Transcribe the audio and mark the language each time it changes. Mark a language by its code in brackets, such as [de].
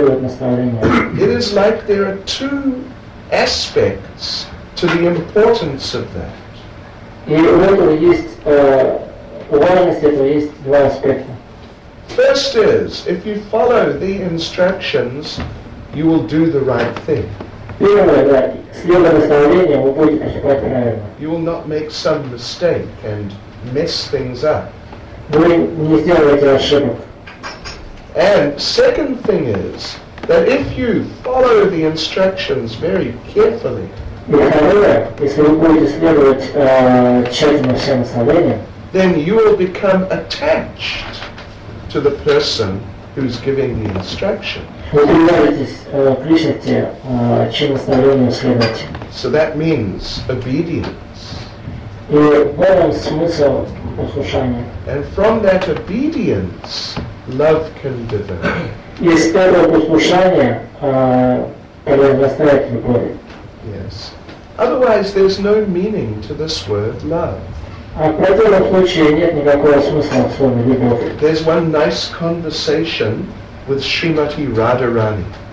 [en] It is like there are two aspects to the importance of that. [ru] И у этого есть, важность этого есть два аспекта. [en] First is, if you follow the instructions, you will do the right thing. [ru] Первое, да, следуя наставлениям, вы будете поступать правильно. [en] You will not make some mistake and mess things up. [ru] Вы не сделаете ошибок. [en] And second thing is, that if you follow the instructions very carefully, [ru] и второе, если вы будете следовать тщательно всем наставлениям, [en] then you will become attached to the person who's giving the instruction. [ru] Вы привяжетесь к личности, чьим наставлением следовать. [en] So that means obedience. [ru] И в этом смысл послушания. [en] And from that obedience, love can develop. [ru] И с этого послушания произрастает любовь. [en] Yes. Otherwise, there's no meaning to this word love. There's one nice conversation with Srimati Radharani.